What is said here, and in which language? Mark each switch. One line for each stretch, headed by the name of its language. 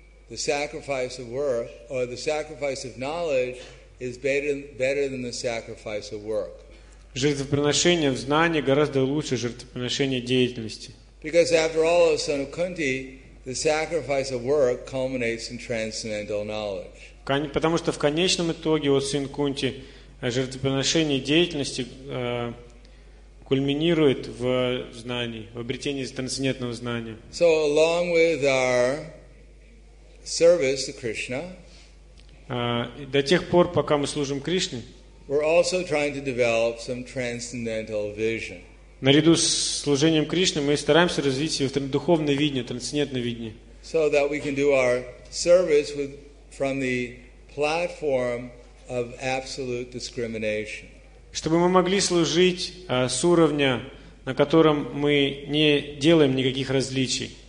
English: The sacrifice of work, or the sacrifice of knowledge, is better than the sacrifice of work.
Russian: Жертвоприношение в знании гораздо лучше жертвоприношения деятельности.
English: Because after all, O son of Kunti, the sacrifice of work culminates in transcendental knowledge.
Russian: Потому что в конечном итоге, вот сын Кунти, жертвоприношение деятельности кульминирует в знании, в обретении трансцендентного знания.
English: So, along with our service to Krishna,
Russian: до тех пор, пока мы служим Кришне,
English: we're also trying to develop some transcendental vision.
Russian: Наряду с служением Кришне мы стараемся развить его духовное видение, трансцендентное видение.
English: So that we can do our service with from the platform of absolute discrimination.
Russian: Чтобы мы могли служить с уровня, на котором мы не делаем никаких различий.